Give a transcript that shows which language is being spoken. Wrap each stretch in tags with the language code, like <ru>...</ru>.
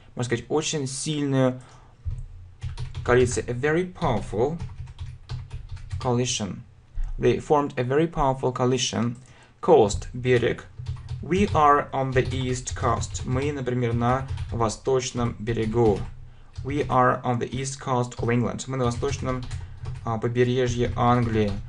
<ru>Можно сказать, очень сильную коалицию.</ru> <en>A very powerful coalition. They formed a very powerful coalition. Coast, берег. We are on the east coast.</en> <ru>Мы, например, на восточном берегу.</ru> <en>We are on the east coast of England.</en> <ru>Мы на восточном побережье Англии.</ru>